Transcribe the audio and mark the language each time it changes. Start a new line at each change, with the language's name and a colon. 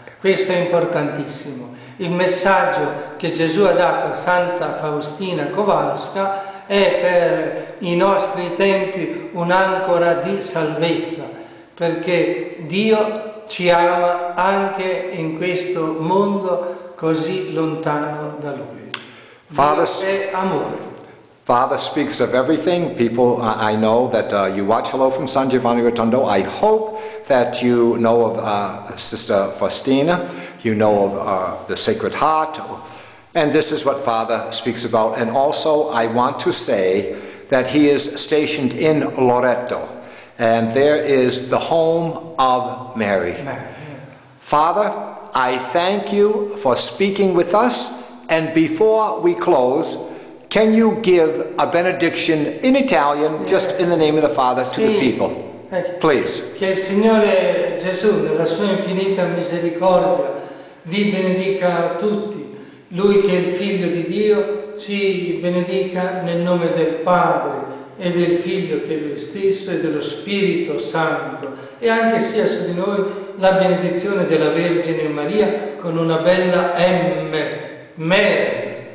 Italian: Questo è importantissimo. Il messaggio che Gesù ha dato a Santa Faustina Kowalska è per i nostri tempi un'ancora di salvezza, perché Dio ci ama anche in questo mondo così lontano da Lui.
English: Father,
Italian: è amore.
English: Father speaks of everything. People, I know that you watch Hello from San Giovanni Rotondo. I hope that you know of Sister Faustina, you know of the Sacred Heart, and this is what Father speaks about. And also, I want to say that he is stationed in Loreto, and there is the home of Mary. Father, I thank you for speaking with us. And before we close, can you give a benediction in Italian, just in the name of the Father, to the people? Please.
Italian: Che il Signore Gesù, nella sua infinita misericordia, vi benedica tutti. Lui che è il Figlio di Dio ci benedica nel nome del Padre e del Figlio che è Lui stesso e dello Spirito Santo, e anche sia su di noi la benedizione della Vergine Maria con una bella Mary.